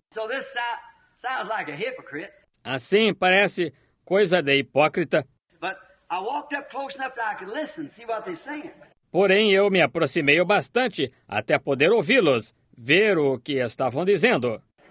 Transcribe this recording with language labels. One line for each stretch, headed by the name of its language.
English: So this sounds like a hypocrite.
Portuguese: Assim, parece coisa de hipócrita.
English: But I walked up close enough that I could listen, see what they're saying.
Portuguese: Porém, eu me aproximei o bastante até poder ouvi-los, ver o que estavam dizendo.